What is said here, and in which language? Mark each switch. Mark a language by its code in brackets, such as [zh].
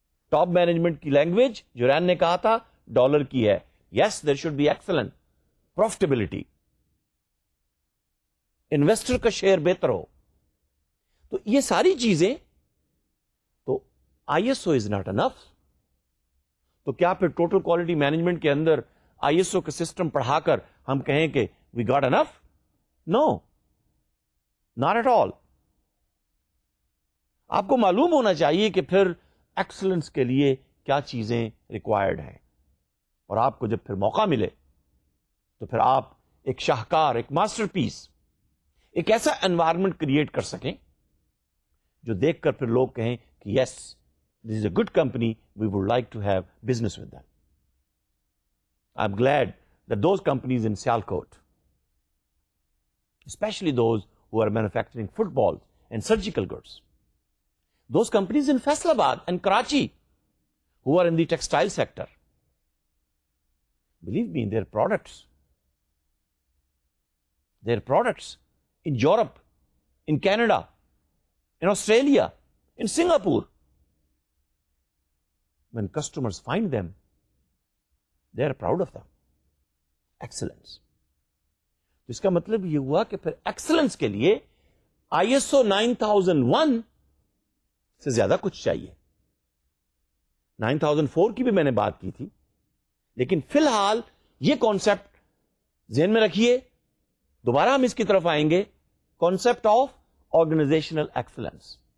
[ur] Top management ki language, Juran ne kaha tha, dollar ki hai. [en] Yes, there should be excellent profitability. [ur] Investor ka share behtar ho. To ye sari cheezein, to [en] ISO is not enough. [ur] تو کیا پھر total quality management کے اندر I S O کا system پڑھا کر ہم کہیں کہ [en] We got enough? No, not at all. [ur] آپ کو معلوم ہونا چاہیے کہ پھر ایکسلنس کے لیے کیا چیزیں ریکوائرڈ ہیں, اور آپ کو جب پھر موقع ملے تو پھر آپ ایک شاہکار, ایک ماسٹر پیس, ایک ایسا انوائرمنٹ کریٹ کر سکیں جو دیکھ کر پھر لوگ کہیں کہ یس, [en] this is a good company, we would like to have business with them. I'm glad that those companies in Sialkot, especially those who are manufacturing footballs and surgical goods, those companies in Faisalabad and Karachi who are in the textile sector, believe me, their products in Europe, in Canada, in Australia, in Singapore, when customers find them, they are proud of them. Excellence. [ur] تو اس کا مطلب یہ ہوا کہ پھر excellence کے لیے ISO 9001 سے زیادہ کچھ چاہیے. 9004 کی بھی میں نے بات کی تھی, لیکن فی الحال یہ concept ذہن میں رکھیے, دوبارہ ہم اس کی طرف آئیں گے, concept of organizational excellence.